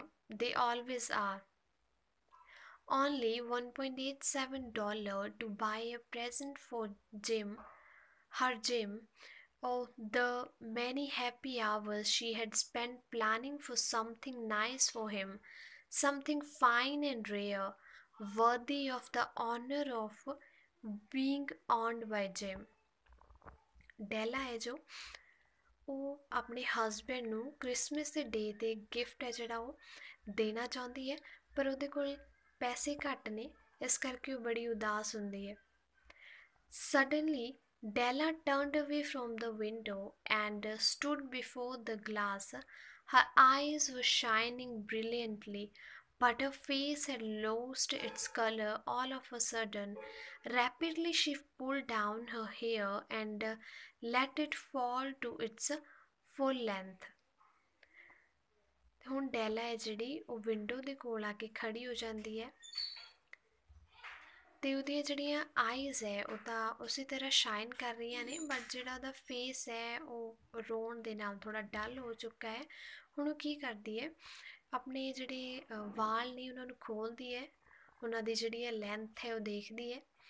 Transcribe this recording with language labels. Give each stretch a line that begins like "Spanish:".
English: They always are. Only $1.87 to buy a present for Jim, her Jim. Oh, the many happy hours she had spent planning for something nice for him, something fine and rare, worthy of the honor of being owned by Jim.
Punjabi: ਡੈਲਾ ਹੈ ਜੋ ਉਹ ਆਪਣੇ husband ਨੂੰ Christmas ਦੇ ਡੇ 'ਤੇ gift ਹੈ ਜਿਹੜਾ ਉਹ ਦੇਣਾ ਚਾਹੁੰਦੀ ਹੈ, ਪਰ ਉਹਦੇ ਕੋਲ ਪੈਸੇ ਘੱਟ ਨੇ, ਇਸ ਕਰਕੇ ਉਹ ਬੜੀ ਉਦਾਸ ਹੁੰਦੀ ਹੈ।
English: Suddenly Della turned away from the window and stood before the glass. Her eyes were shining brilliantly, but her face had lost its colour all of a sudden. Rapidly she pulled down her hair and let it fall to its full length.
Punjabi: ਹੁਣ ਡੈਲਾ ਹੈ ਜਿਹੜੀ ਉਹ window ਦੇ ਕੋਲ ਆ ਕੇ ਖੜੀ ਹੋ ਜਾਂਦੀ ਹੈ, ਅਤੇ ਉਹਦੀਆਂ ਜਿਹੜੀਆਂ ਆਈਜ਼ ਹੈ ਉਹ ਤਾਂ ਉਸੇ ਤਰ੍ਹਾਂ ਸ਼ਾਈਨ ਕਰ ਰਹੀਆਂ ਨੇ, ਬਟ ਜਿਹੜਾ ਉਹਦਾ ਫੇਸ ਹੈ ਉਹ ਰੋਣ ਦੇ ਨਾਲ ਥੋੜ੍ਹਾ ਡੱਲ ਹੋ ਚੁੱਕਾ ਹੈ। ਹੁਣ ਉਹ ਕੀ ਕਰਦੀ ਹੈ, ਆਪਣੇ ਜਿਹੜੇ ਵਾਲ ਨੇ ਉਹਨਾਂ ਨੂੰ ਖੋਲ੍ਹਦੀ ਹੈ, ਉਹਨਾਂ ਦੀ ਜਿਹੜੀ ਹੈ ਲੈਂਥ ਹੈ ਉਹ ਦੇਖਦੀ ਹੈ।